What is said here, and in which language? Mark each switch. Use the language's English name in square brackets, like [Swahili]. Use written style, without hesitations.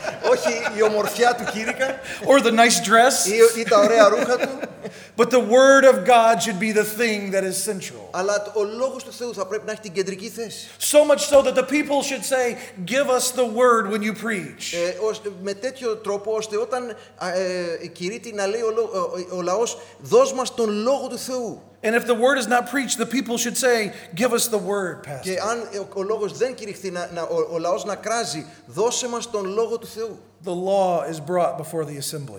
[Greek] Όχι η ομορφιά του κήρυκα. [English] Or the nice dress. [Greek] Ή τα ωραία ρούχα του. [English] But the word of God should be the thing that is central. [Greek] Αλλά ο λόγος του Θεού θα πρέπει να έχει την κεντρική θέση. [English] So much so that the people should say, "Give us the word when you preach." [Greek] Με τέτοιο τρόπο ώστε όταν κηρύττει να λέει ο λαός, δώσ' μας τον λόγο του Θεού. [English] And if the word is not preached, the people should say, "Give us the word, Pastor." [Greek] Και αν ο λόγος δεν κηρυχθεί, ο λαός να κράζει, δώσε μας τον λόγο του Θεού. [English] The law is brought before the assembly.